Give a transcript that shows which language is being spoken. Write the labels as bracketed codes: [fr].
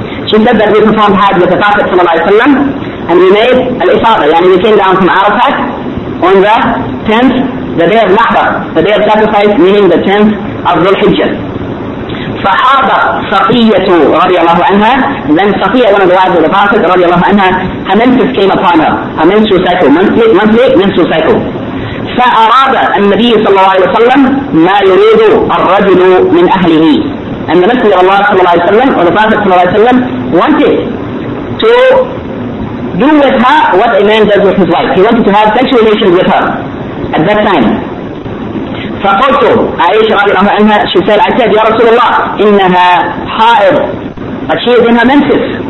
[en] She said that we performed Hajj with the Prophet صلى الله عليه وسلم, and we made al-ifada, yani we came down from Arafat on the 10th, the day of Nahr, the day of sacrifice, meaning the 10th of Dhul-Hijjah. [ar] فَحَابَ صَفِيَّةُ رَضِيَ اللَّهُ عَنْهَا. [en] Then Safiya, one of the wives of the Prophet رَضِيَ اللَّهُ عَنْهَا, her menses came upon her, her menstrual cycle, monthly menstrual cycle. [ar] فأراد النبي صلى الله عليه وسلم ما يريد الرجل من أهله. [en] And the Messenger of Allah صلى الله عليه وسلم, or the Prophet صلى الله عليه وسلم, wanted to do with her what a man does with his wife. He wanted to have sexual relations with her at that time. [ar] فقلت عائشة رضي الله عنها, [en] she said, I said, [ar] يا رسول الله, إنها حائض, [en] but she is in her menses.